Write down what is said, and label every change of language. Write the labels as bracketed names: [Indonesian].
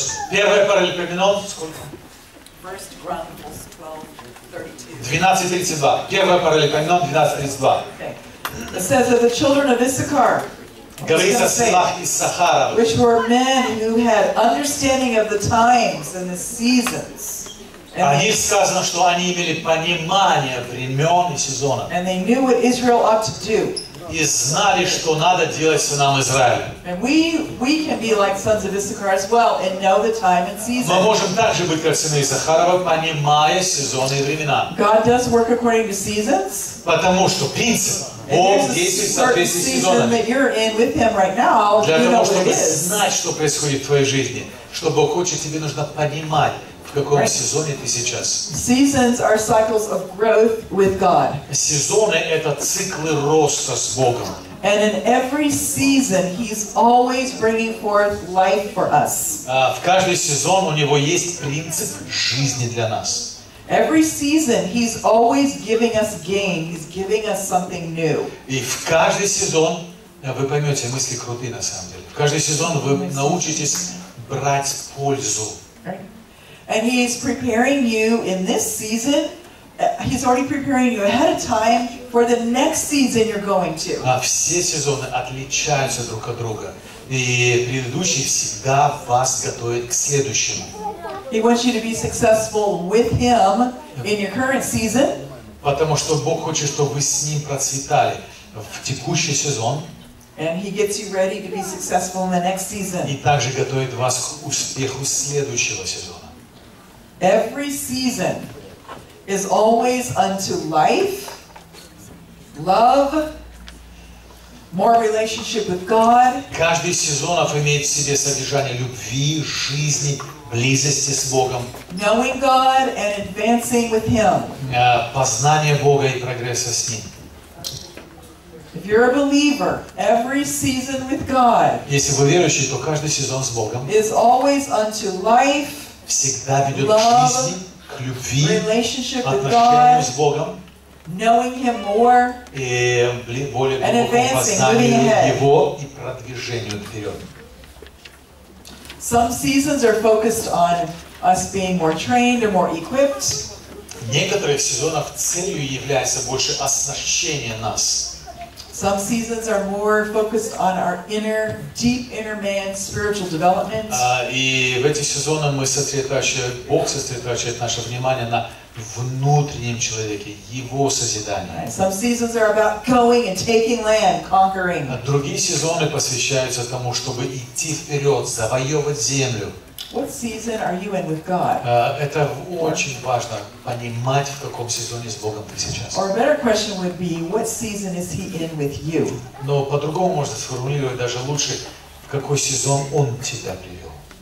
[Russian] Первое параллелепипедон. Сколько? [English] First Chronicles 12:32. 12:32. [Russian] Первое параллелепипедон 12:32. [English] It says that the children of Issachar. [Russian] Говорится о сынах Иссахара. [English] Which were men who had understanding of the times and the seasons. [Russian] О них сказано, что они имели понимание времен и сезона. [English] And they knew what Israel ought to do. [Russian] И знали, что надо делать сынам Израиля. [English] And we can be like sons of Issachar as well and know the time and season. [Russian] Мы можем также быть как сыны Иссахарова, понимая сезоны и времена. [English] God does work according to seasons. [Russian] Потому что принцип. Бог действует в соответствии с сезонами. [English] Right now, [Russian] для того, чтобы знать, что происходит в твоей жизни, что Бог хочет, тебе нужно понимать. В каком [English] right. [Russian] сезоне ты сейчас? [English] Seasons are cycles of growth with God. [Russian] Сезоны — это циклы роста с Богом. [English] And in every season, He's always bringing forth life for us. [Russian] В каждый сезон у Него есть принцип жизни для нас. [English] Every season, He's always giving us gain. He's giving us something new. [Russian] И в каждый сезон, вы поймете, мысли крутые на самом деле. В каждый сезон вы научитесь брать пользу. [English] Right. And he is preparing you in this season. He's already preparing you ahead of time for the next season you're going to. [Russian] Все сезоны отличаются друг от друга. И предыдущий всегда вас готовит к следующему. [English] He wants you to be successful with him in your current season. [Russian] Потому что Бог хочет, чтобы вы с ним процветали в текущий сезон. [English] And he gets you ready to be successful in the next season. [Russian] И также готовит вас к успеху следующего сезона. [English] Every season is always unto life, love, more relationship with God. [Russian] Каждый из сезонов имеет в себе содержание любви, жизни, близости с Богом. [English] Knowing God and advancing with Him. [Russian] Познание Бога и прогресса с Ним. [English] If you're a believer, every season with God. [Russian] Если вы верующий, то каждый сезон с Богом. [English] Is always unto life. [Russian] Всегда ведет [English] love, [Russian] к жизни, к любви, отношению с Богом, [English] knowing him more, [Russian] и более глубокому познанию Его и продвижению вперед. [English] Some seasons are focused on us being more trained or more equipped. [Russian] Некоторых сезонов целью является больше оснащение нас. [English] Some seasons are more focused on our inner, deep inner man, spiritual development. [Russian] И в эти сезоны мы сосредотачиваем, Бог сосредотачивает наше внимание на внутреннем человеке, его созидании. [English] Some seasons are about going and taking land, conquering. [Russian] Другие сезоны посвящаются тому, чтобы идти вперед, завоевывать землю. [English] What season are you in with God? [Russian] Это очень важно понимать, в каком сезоне с Богом ты сейчас. [English] Or a better question would be, what season is He in with you? [Russian] Но по-другому можно сформулировать даже лучше, в какой сезон Он тебя привел.